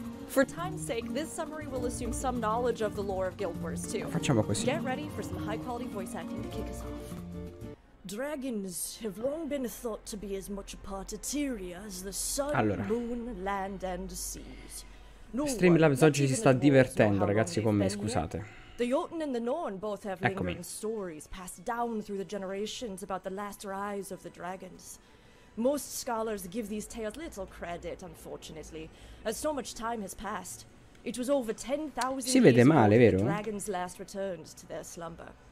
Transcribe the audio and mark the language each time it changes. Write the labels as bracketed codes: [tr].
[en] For time's sake, this summary will assume some knowledge of the lore of Guild Wars 2. [it] Facciamo così. [en] Get ready for some high quality voice acting to kick us off. Dragons have long been thought to be as much a part of Tyria as the sun, allora, moon, land and seas. [it] No, Streamlabs oggi si sta divertendo, ragazzi, con me, scusate. [en] The Jotun and the Norn both have lingering stories passed down through the generations about the last rise of the dragons. Most scholars give these tales little credit, unfortunately, as so much time has passed. It was over 10,000 [it] si vede male, [en] years [it] vero? [en] The dragons last returned to their slumber.